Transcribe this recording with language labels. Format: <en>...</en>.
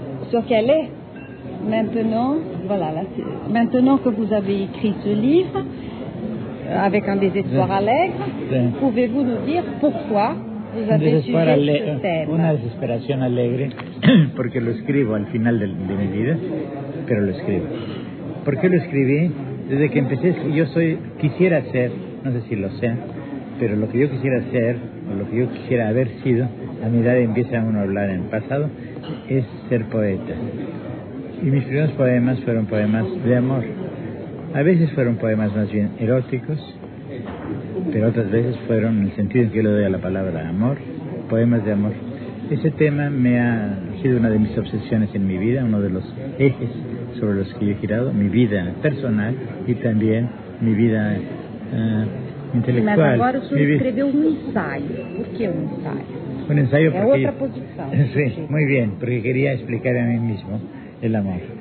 <fr>Sur quelle est maintenant, voilà, maintenant que vous avez écrit ce livre, avec un désespoir allègre, pouvez-vous nous dire pourquoi vous avez suivi ce thème? Une désespération allègre.</fr> <es>Porque lo escribo al final de mi vida, pero lo escribo. ¿Por qué lo escribí? Desde que empecé, quisiera ser, no sé si lo sea, pero lo que yo quisiera ser, o lo que yo quisiera haber sido, A mi edad empieza uno a hablar en pasado, es ser poeta. Y mis primeros poemas fueron poemas de amor. A veces fueron poemas más bien eróticos, pero otras veces fueron, en el sentido en que yo le doy a la palabra amor, poemas de amor. Ese tema me ha sido una de mis obsesiones en mi vida, uno de los ejes sobre los que yo he girado, mi vida personal y también mi vida intelectual.</es> <pt>Mas agora o senhor escreveu um ensaio. Por que um ensaio? Um ensaio é porque... outra posição. Sim, muito bem, porque queria explicar a mim mesmo o amor.</pt>